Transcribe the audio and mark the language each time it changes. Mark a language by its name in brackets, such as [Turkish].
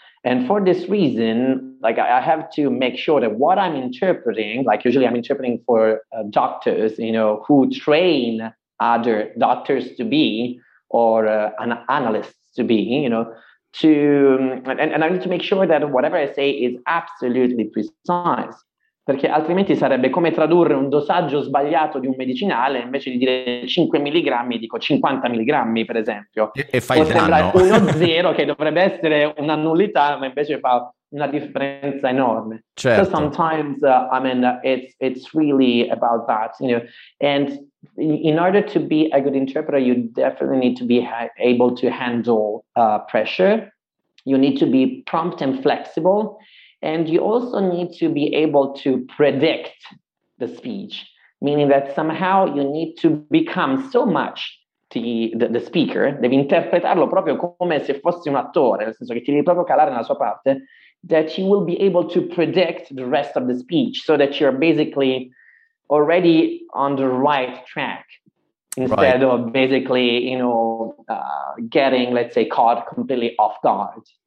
[English] And for this reason, like I have to make sure that what I'm interpreting, like usually I'm interpreting for doctors, you know, who train other doctors to be or analysts to be, you know, to and I need to make sure that whatever I say is absolutely precise. [Italian] Perché altrimenti sarebbe come tradurre un dosaggio sbagliato di un medicinale invece di dire 5 milligrammi, dico 50 milligrammi, per esempio. E fai il danno. Sembra 1-0, che dovrebbe essere una nullità, ma invece fa una differenza enorme. Certo. [English] So sometimes, I mean, it's really about that, you know. And in order to be a good interpreter, you definitely need to be able to handle pressure. You need to be prompt and flexible. And you also need to be able to predict the speech, meaning that somehow you need to become so much the speaker, [Italian] devi interpretarlo proprio come se fossi un attore, nel senso che ti devi proprio calare nella sua parte, [English] that you will be able to predict the rest of the speech so that you're basically already on the right track instead of basically, you know, getting, let's say, caught completely off guard.